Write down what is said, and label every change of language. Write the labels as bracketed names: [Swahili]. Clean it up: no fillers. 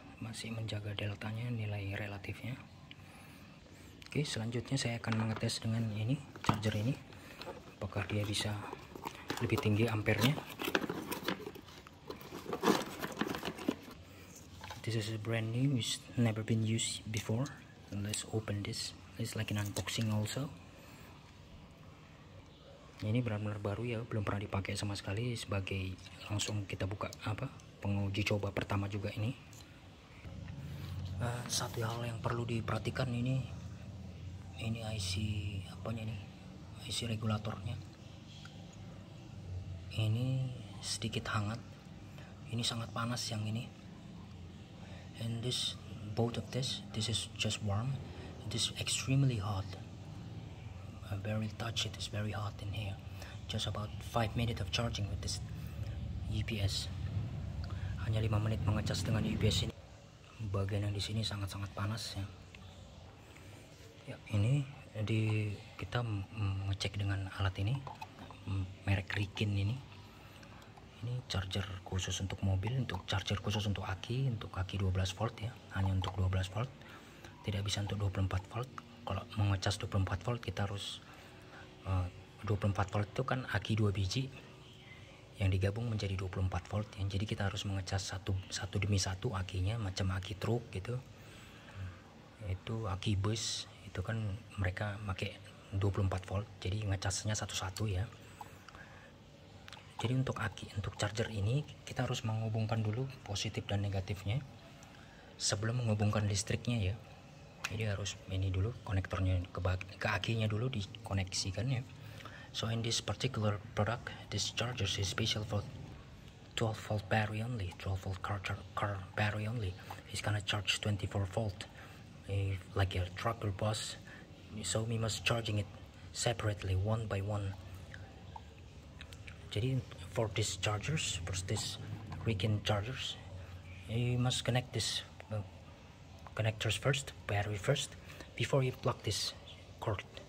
[Indonesian] Masih menjaga deltanya, nilai relatifnya. Okay, selanjutnya saya akan mengetes dengan ini, charger ini. Apakah dia bisa lebih tinggi ampernya? [English] This is a brand new, it's never been used before. And let's open this. It's like an unboxing also. [Indonesian] Ini benar-benar baru ya, belum pernah dipakai sama sekali. Sebagai langsung kita buka apa? Penguji coba pertama juga ini. Satu hal yang perlu diperhatikan ini IC apanya ini? IC regulatornya. Ini sedikit hangat. Ini sangat panas yang ini. [English] And this both of this is just warm. It is extremely hot. I barely touch it. It's very hot in here. Just about 5 minutes of charging with this UPS. [Indonesian] Hanya 5 menit mengecas dengan UPS ini. Bagian yang di sini sangat-sangat panas ya. Ya, ini di kita ngecek dengan alat ini merek Rikin ini. Ini charger khusus untuk mobil, untuk charger khusus untuk aki 12 volt ya, hanya untuk 12 volt, tidak bisa untuk 24 volt. Kalau mengecas 24 volt, kita harus 24 volt itu kan aki 2 biji yang digabung menjadi 24 volt. Ya. Jadi kita harus mengecas satu demi satu akinya, macam aki truk gitu. Itu aki bus itu kan mereka pakai 24 volt, jadi ngecasnya satu-satu ya. Jadi untuk aki, untuk charger ini kita harus menghubungkan dulu positif dan negatifnya sebelum menghubungkan listriknya ya. Jadi harus ini dulu konektornya ke akinya dulu dikoneksikan ya. [English] So in this particular product, this charger is special for 12 volt battery only, 12 volt car battery only. It's gonna charge 24 volt like a truck or bus. So we must charging it separately one by one. Jadi for these chargers, for this Rikin chargers, you must connect this connectors first, battery first, before you plug this cord.